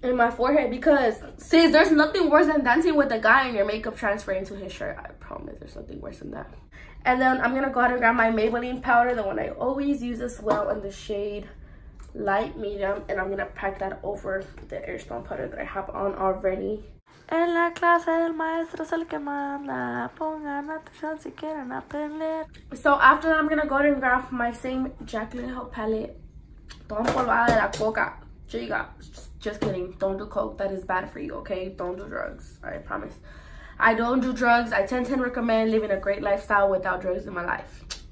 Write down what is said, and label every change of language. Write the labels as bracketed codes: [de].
[en] In my forehead, because, sis, there's nothing worse than dancing with a guy and your makeup transferring to his shirt. I promise there's nothing worse than that. And then I'm gonna go ahead and grab my Maybelline powder, the one I always use as well, in the shade light medium. And I'm gonna pack that over the airspun powder that I have on already. [es] En la clase el maestro es el que manda. Pongan atención si quieren aprender. [en] So after that, I'm gonna go ahead and grab my same Jaclyn Hill palette. [es] Toda empolvada de la coca. Chica, [en] just kidding. Don't do coke. That is bad for you, okay? Don't do drugs. I promise. I don't do drugs. I 10/10 recommend living a great lifestyle without drugs in my life.